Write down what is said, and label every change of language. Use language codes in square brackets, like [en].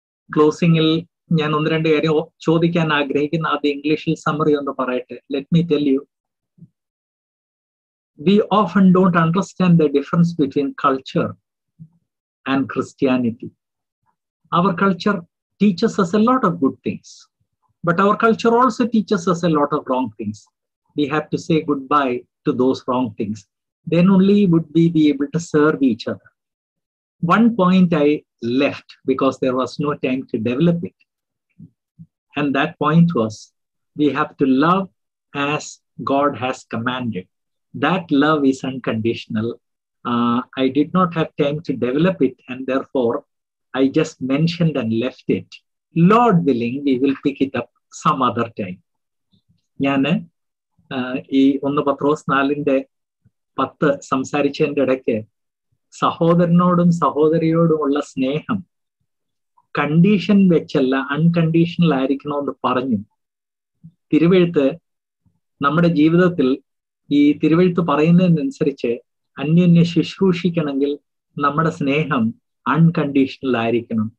[ml] ക്ലോസിംഗിൽ ഞാൻ ഒന്ന് രണ്ട് കാര്യം ചോദിക്കാൻ ആഗ്രഹിക്കുന്ന, ആദ്യം ഇംഗ്ലീഷിൽ സമ്മറി ഒന്ന് പറയട്ടെ. [en] Let me tell you, we often don't understand the difference between culture and Christianity. Our culture teaches us a lot of good things, but our culture also teaches us a lot of wrong things. We have to say goodbye to those wrong things. Then only would we be able to serve each other. One point I left because there was no time to develop it. And that point was, we have to love as God has commanded. That love is unconditional. I did not have time to develop it, and therefore I just mentioned and left it. Lord willing, we will pick it up some other time. [ml] Yana Onnu Petros 4-inte 10 samsarichende idakke സഹോദരനോടും സഹോദരിയോടും ഉള്ള സ്നേഹം condition വെച്ചല്ല unconditional ആയിരിക്കണമെന്ന് പറഞ്ഞു. തിരുവെഴുത്ത് നമ്മുടെ ജീവിതത്തിൽ ഈ തിരുവെഴുത്ത് പറയുന്നതിനനുസരിച്ച് അന്യോന്യ ശുശ്രൂഷിക്കണമെങ്കിൽ നമ്മുടെ സ്നേഹം അൺകണ്ടീഷണൽ ആയിരിക്കണം.